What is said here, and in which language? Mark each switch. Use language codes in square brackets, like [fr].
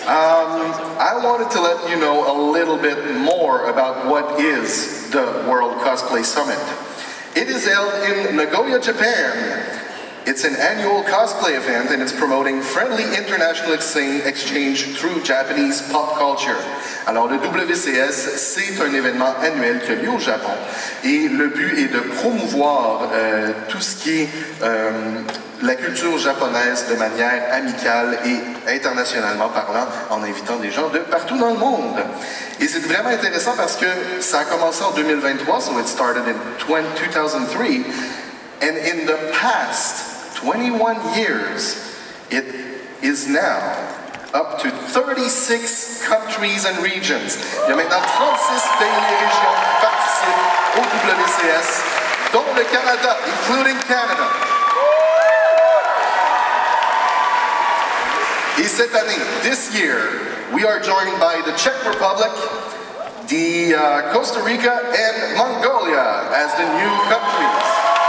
[en] I wanted to let you know a little bit more about what is the World Cosplay Summit. It is held in Nagoya, Japan. It's an annual cosplay event and it's promoting friendly international exchange through Japanese pop culture. [fr] Alors le WCS, c'est un événement annuel qui a lieu au Japon. Et le but est de promouvoir tout ce qui est la culture japonaise de manière amicale et internationalement parlant, en invitant des gens de partout dans le monde. Et c'est vraiment intéressant parce que ça a commencé en 2023, [en] so it started in 2003, and in the past 21 years, it is now up to 36 countries and regions. [fr] Il y a maintenant 36 pays et régions qui participent au WCS, dont le Canada, [en] including Canada. [fr] Et cette année, [en] this year, we are joined by the Czech Republic, the Costa Rica, and Mongolia as the new countries.